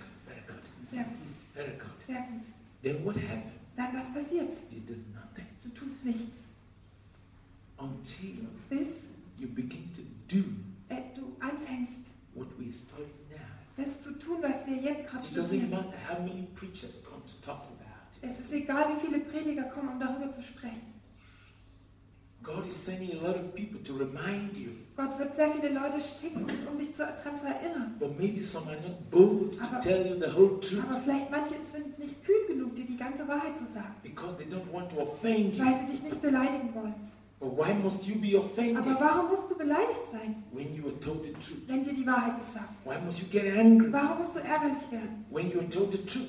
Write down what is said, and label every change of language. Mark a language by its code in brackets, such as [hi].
[en] Very good. [de] Sehr gut. [en] Very good. [de] Sehr gut. [en] Then what happened? [de] Dann was passiert? [en] You did nothing. [de] Du tust nichts. [en] Until [de] bis [en] you begin to do [de] du anfängst [en] what we are studying now. [de] Das zu tun, was wir jetzt gerade studieren. [en] It doesn't matter how many preachers come to talk about. [de] Es ist egal, wie viele Prediger kommen, um darüber zu sprechen. [en] God is sending a lot of people to remind you. [de] Gott wird sehr viele Leute schicken, um dich daran zu erinnern. [en] But maybe some are not bold to tell you the whole truth. [de] Aber vielleicht manche sind nicht kühn genug, dir die ganze Wahrheit zu sagen. [en] Because they don't want to offend you. [de] Weil sie dich nicht beleidigen wollen. [en] But why must you be offended? [de] Aber warum musst du beleidigt sein? [en] When you are told the truth. [de] Wenn dir die Wahrheit gesagt wird. [en] Why must you get angry? [de] Warum musst du ärgerlich werden? [en] When you are told the truth.